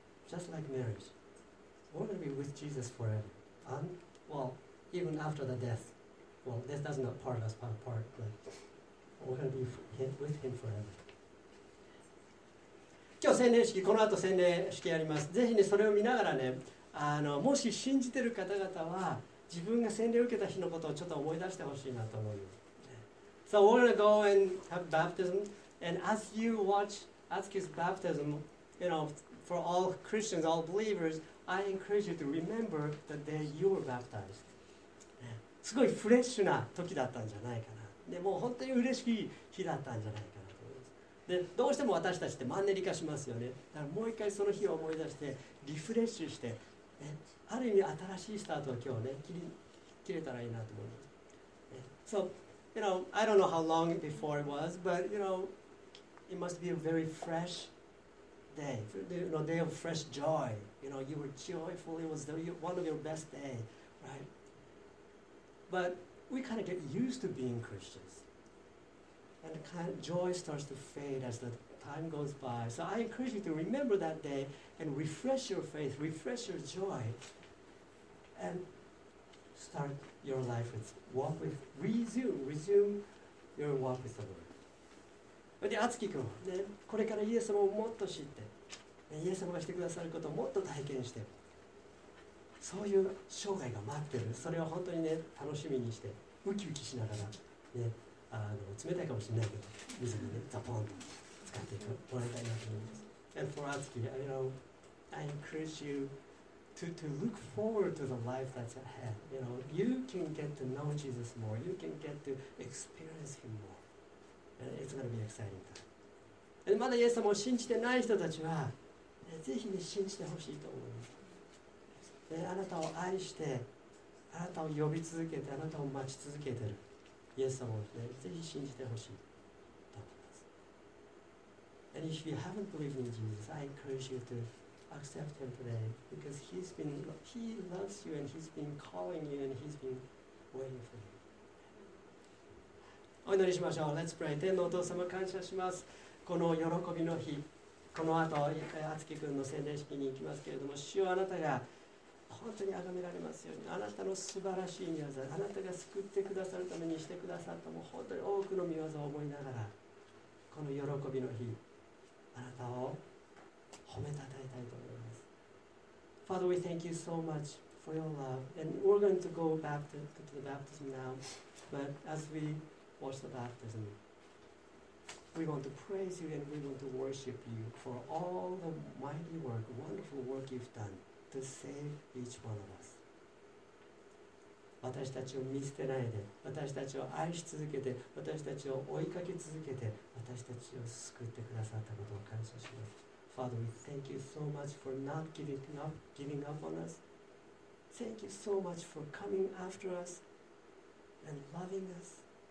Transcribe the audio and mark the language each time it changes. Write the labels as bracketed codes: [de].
[en] Just like marriage, we're going to be with Jesus forever. And, well, even after the death, well, death does not part us by part, but we're going to be with him forever. [ja] 今日洗礼式、この後洗礼式やります。ぜひね、それを見ながらね、もし信じてる方々は、自分が洗礼を受けた日のことをちょっと思い出してほしいなと思います。 [en] So we're going to go and have baptism, and as you watch Atsuki's baptism, you know, for all Christians, all believers,I encourage you to remember the day you were baptized. [ja] すごいフレッシュな時だったんじゃないかな。でも本当に嬉しい日だったんじゃないかなと思います。で、どうしても私たちってマンネリ化しますよね。だからもう一回その日を思い出してリフレッシュして、ね、ある意味新しいスタートを今日ね、切れたらいいなと思います。 [en] So, you know, I don't know how long before it was, but you know, it must be a very fresh day, you know, day of fresh joy. You know, you were joyful. It was one of your best days, right? But we kind of get used to being Christians. And the kind of joy starts to fade as the time goes by. So I encourage you to remember that day and refresh your faith, refresh your joy, and start your life with, walk with, resume your walk with the Lord. [ja] で、アツキ君、ね、これからイエス様をもっと知って、イエス様がしてくださることをもっと体験して、そういう生涯が待ってる、それを本当にね、楽しみにして、ウキウキしながら、ね、冷たいかもしれないけど、水にね、ザポンと使っていく、もらいたいなと思います。 [en] And for Atsuki, you know, I encourage you to look forward to the life that's ahead. You know, you can get to know Jesus more. You can get to experience him more. And it's going to be exciting time. [ja] And まだイエス様を信じてない人たちは、ぜひね、信じてほしいと思います。あなたを愛して、あなたを呼び続けて、あなたを待ち続けている、イエス様を、ね、ぜひ信じてほしいと思います。 [en] And if you haven't believed in Jesus, I encourage you to accept him today, because he loves you and he's been calling you and he's been waiting for you. [ja] お祈りしましょう。 [en] Let's pray. [ja] 天のお父様、感謝します。この喜びの日、この後、敦貴君の洗礼式に行きますけれども、主よ、あなたが本当に崇められますように、あなたの素晴らしい御業、あなたが救ってくださるためにしてくださったも本当に多くの御業を思いながら、この喜びの日、あなたを褒めたたえたいと思います。 [en] Father, we thank you so much for your love, and we're going to go back to the baptism now, but as we watch the baptism, we want to praise you and we want to worship you for all the mighty work, wonderful work you've done to save each one of us. [ja] 私たちを見捨てないで、私たちを愛し続けて、私たちを追いかけ続けて、私たちを救ってくださったことを感謝します。 [en] Father, we thank you so much for not giving up on us. Thank you so much for coming after us and loving us.